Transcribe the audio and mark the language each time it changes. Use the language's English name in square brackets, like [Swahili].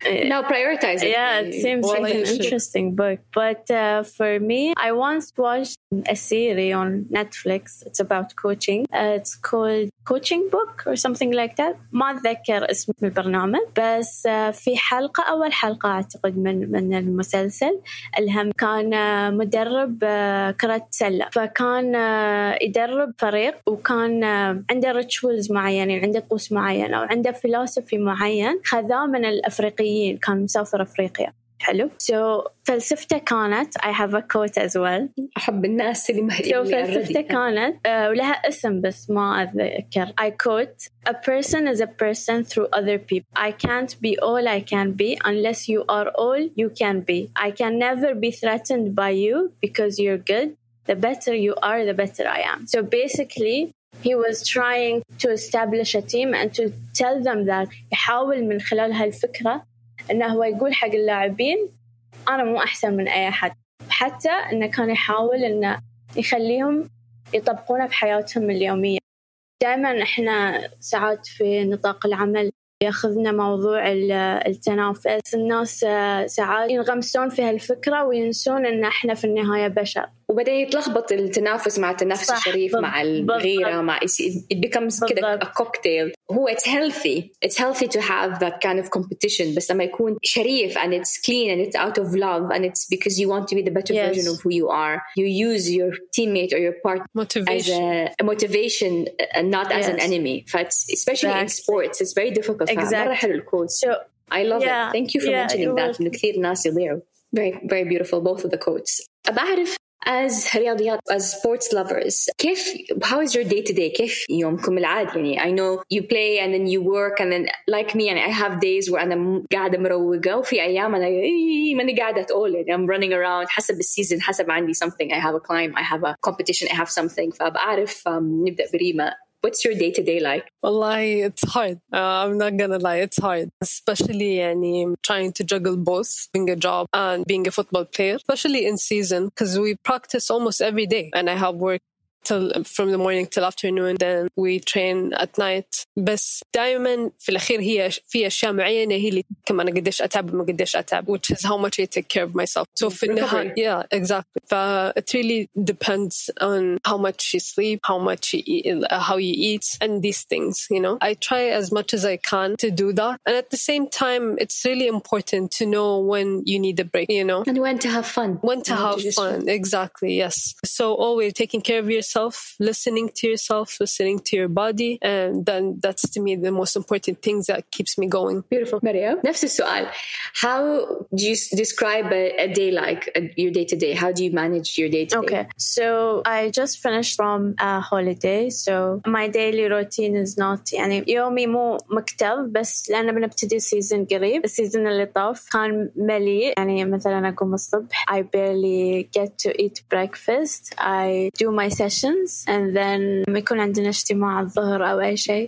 [English] Now prioritize it. Yeah, it seems like an interesting book. But for me, I once watched a series on Netflix. It's about coaching. It's called Coaching Book or something like that. [Arabic] ما أتذكر اسم البرنامج. بس في حلقة، أول حلقة أعتقد من المسلسل، الهم كان مدرب كرة سلة، فكان يدرب فريق، وكان عنده rituals معين، يعني عنده طقوس معين أو عنده philosophy معين خذاه من الأفريقي. كان مسافر أفريقيا. حلو. [English] So [Arabic] فلسفته كانت [English] I have a quote as well. [Arabic] أحب الناس اللي مهتمين. So فلسفته كانت ولها اسم بس ما أذكر. [English] I quote: A person is a person through other people. I can't be all I can be unless you are all you can be. I can never be threatened by you because you're good. The better you are, the better I am. So basically, he was trying to establish a team and to tell them that. [Arabic] يحاول من خلال هالفكرة إنه هو يقول حق اللاعبين أنا مو أحسن من أي أحد، حتى إنه كان يحاول إنه يخليهم يطبقونه في حياتهم اليومية. دائما احنا ساعات في نطاق العمل ياخذنا موضوع التنافس، الناس ساعات ينغمسون في هالفكرة وينسون ان احنا في النهاية بشر، وبدأ يتلخبط التنافس مع التنافس الشريف مع الغيرة مع [English] it becomes [Arabic] كده [English] a cocktail. هو it's healthy to have that kind of competition، [Arabic] بس لما يكون شريف [English] and it's clean and it's out of love and it's because you want to be the better version of who you are، you use your teammate or your partner motivation. As a motivation and not as an enemy. Especially in sports it's very difficult. [Arabic] مرة حلو الكوت. [English] I love it. Thank you for mentioning that. [Arabic] من كثير ناس يليعوا. [English] Very very beautiful both of the quotes. أبعرف as رياضيات as sports lovers كيف how is your day to day [Arabic] كيف يومكم العادي يعني [English] I know you play and then you work and then like me يعني I have days where [Arabic] أنا قاعدة مروقة وفي أيام أنا ماني قاعدة [English] at all يعني I'm running around [Arabic] حسب السيزن حسب عندي [English] something I have a climb I have a competition I have something [Arabic] فأبعرف نبدأ بريما [English] What's your day to day like? Wallahi, it's hard. I'm not gonna lie, it's hard. Especially يعني, trying to juggle both, being a job and being a football player, especially in season, because we practice almost every day. And I have work till, from the morning till afternoon, then we train at night. [Arabic] بس دائما في الأخير هي في أشياء معينة هي اللي كمان قديش أتعب وما قديش أتعب, [English] which is how much I take care of myself. So [Arabic] في النهاية, [English] yeah, exactly. It really depends on how much you sleep, how much you eat, how you eat, and these things, you know. I try as much as I can to do that. And at the same time, it's really important to know when you need a break, you know. And when to have fun. When to have fun, exactly, yes. So always taking care of yourself, listening to yourself, listening to your body, and then that's to me the most important things that keeps me going. Beautiful. Maryam, [Arabic] نفس السؤال. [English] How do you describe a day like your day to day? How do you manage your day to day? Okay. So I just finished from a holiday. So my daily routine is not [Arabic] يعني يومي مو مكتب بس لأن بنبتدي season قريب. [English] The season [Arabic] اللي طاف كان مليء يعني مثلا أقوم الصبح. [English] I barely get to eat breakfast. I do my sessions and then [Arabic] يكون عندنا اجتماع الظهر أو أي شيء.